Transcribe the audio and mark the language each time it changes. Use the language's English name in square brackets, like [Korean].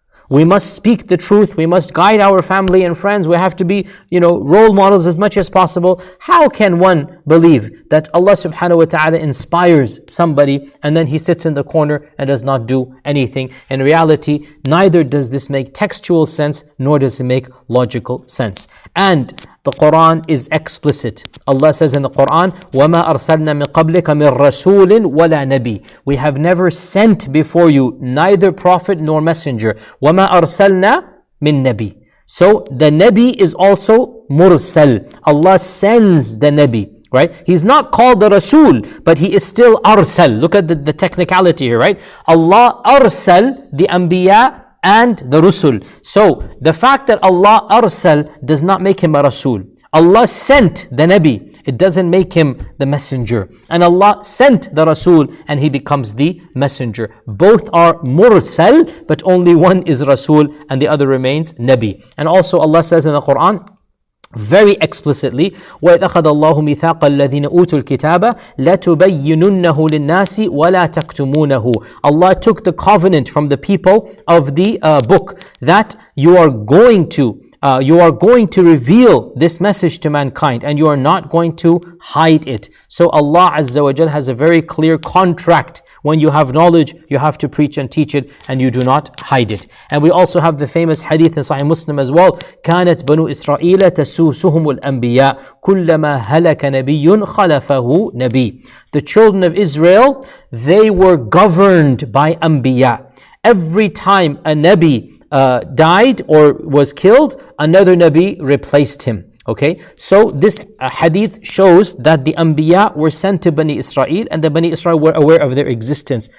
[English] We must speak the truth. We must guide our family and friends. We have to be, you know, role models as much as possible. How can one believe that Allah subhanahu wa ta'ala inspires somebody and then he sits in the corner and does not do anything? In reality, neither does this make textual sense, nor does it make logical sense. And the Quran is explicit. Allah says in the Quran, [Arabic] وَمَا أَرْسَلْنَا مِنْ قَبْلِكَ مِنْ رَسُولٍ وَلَا نَبِيٍ. [English] We have never sent before you neither prophet nor messenger. [Arabic] وَمَا أَرْسَلْنَا مِنْ نَبِيٍ. [English] So the Nabi is also مُرْسَل. Allah sends the Nabi, right? He's not called the Rasul, but he is still أَرْسَل. Look at the technicality here, right? Allah أَرْسَل the Anbiya and the Rusul. So the fact that Allah arsal does not make him a Rasul. Allah sent the Nabi, it doesn't make him the messenger. And Allah sent the Rasul, and he becomes the messenger. Both are mursal, but only one is Rasul, and the other remains Nabi. And also Allah says in the Quran, very explicitly, [Arabic] وَإِذَخَذَ اللَّهُ مِثَاقَ الَّذِينَ أُوتُوا الْكِتَابَ لَتُبَيِّنُنَّهُ لِلنَّاسِ وَلَا تَكْتُمُونَهُ. [English] Allah took the covenant from the people of the book that you are going to reveal this message to mankind and you are not going to hide it. So Allah Azza wa Jal has a very clear contract. When you have knowledge, you have to preach and teach it, and you do not hide it. And we also have the famous hadith in Sahih Muslim as well. [Arabic] كانت بنو إسرائيل تسوسهم الأنبياء كلما هلك نبي خلفه نبي. [English] The children of Israel, they were governed by Anbiya. Every time a Nabi died or was killed, another Nabi replaced him. Okay, so this hadith shows that the Anbiya were sent to Bani Israel and the Bani Israel were aware of their existence.